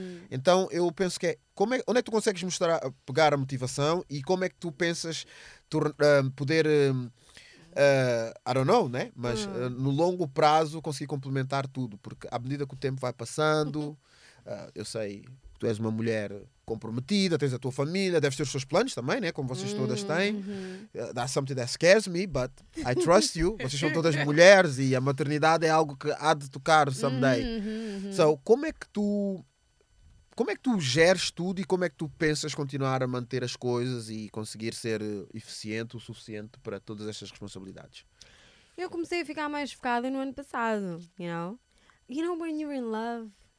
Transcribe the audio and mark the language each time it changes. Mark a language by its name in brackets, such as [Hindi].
[Portuguese] Então eu penso que onde é que tu consegues mostrar, pegar a motivação e como é que tu pensas poder. [English] I don't know, [Portuguese] né? Mas no longo prazo consegui complementar tudo, porque à medida que o tempo vai passando, eu sei que tu és uma mulher comprometida, tens a tua família, deves ter os teus planos também, né? Como vocês todas têm. [English] That's something that scares me, but I trust you. [Portuguese] Vocês são todas mulheres e a maternidade é algo que há de tocar someday. So, como é que tu geres tudo e como é que tu pensas continuar a manter as coisas e conseguir ser eficiente o suficiente para todas estas responsabilidades? Eu comecei a ficar mais focada no ano passado, [English] you know? You know when you're in love?